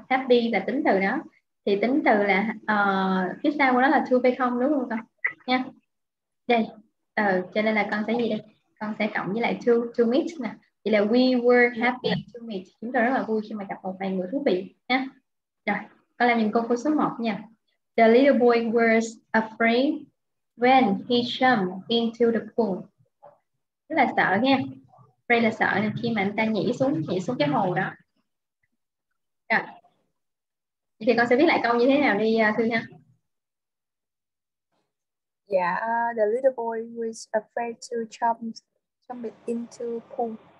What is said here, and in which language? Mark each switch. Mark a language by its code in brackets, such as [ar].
[vi] Happy là tính từ đó. Thì tính từ là phía sau của nó là to be không đúng không con? Nha. Đây. Cho nên là con sẽ gì đây? Con sẽ cộng với lại to meet nè. Vậy là [en] we were happy to meet. [vi] Chúng tôi rất là vui khi mà gặp một vài người thú vị nha. Rồi, con làm những câu số 1 nha. [en] The little boy was afraid when he jumped into the pool. [vi] Rất là sợ nha. Afraid là sợ nên khi mà anh ta nhảy xuống cái hồ đó. Rồi. Vậy thì con sẽ viết lại câu như thế nào đi Thư nha. [en] Yeah, the little boy was afraid to jump into pool.